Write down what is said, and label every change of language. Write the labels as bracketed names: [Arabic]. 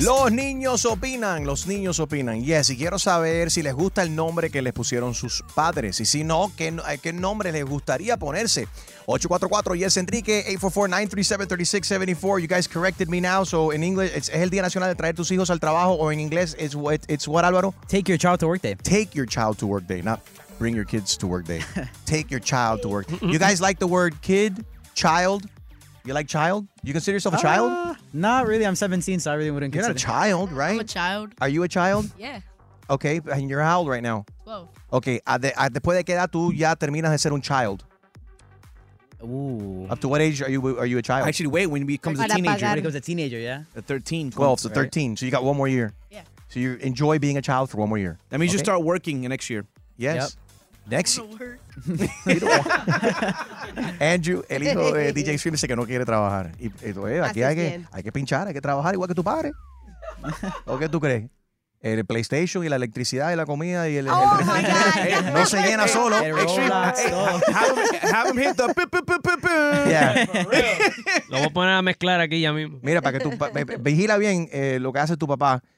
[Spanish] Los niños opinan, los niños opinan. Yes, y quiero saber si les gusta el nombre que les pusieron sus padres. Y si no, ¿qué nombre les gustaría ponerse? 844-YES-ENRIQUE, 844-937-3674. [English] You guys corrected me now. So in English, [Spanish] es el Día Nacional de Traer Tus Hijos al Trabajo. O en inglés, [English] it's what, [Spanish] Álvaro? [English] Take your child to work day. Take your child to work day, not bring your kids to work day. Take your child to work. You guys like the word kid, child? You like child? You consider yourself a child? Not really. I'm 17, so I really wouldn't consider. You're not a child, right? I'm a child. Are you a child? Yeah. Okay, and you're how old right now? 12. [Spanish] Okay, después de que edad tú ya terminas de ser un child? Ooh. [English] Up to what age are you a child? Actually, wait, when he becomes a teenager. When he becomes a teenager, yeah? At 13, 12. So 13. Right? So you got one more year. Yeah. So you enjoy being a child for one more year. That means you start working next year. Yes. Yep. Next. You don't work. [Spanish] Andrew, el hijo de DJ Stream dice que no quiere trabajar. Y tú, aquí hay que pinchar, hay que trabajar igual que tu padre. ¿O qué tú crees? El PlayStation y la electricidad y la comida y el no se llena solo. [English] Have him hit the pip, pip, pip, pip. Yeah. [Spanish] Lo voy a poner a mezclar aquí ya mismo. Mira, para que tú vigila bien lo que hace tu papá.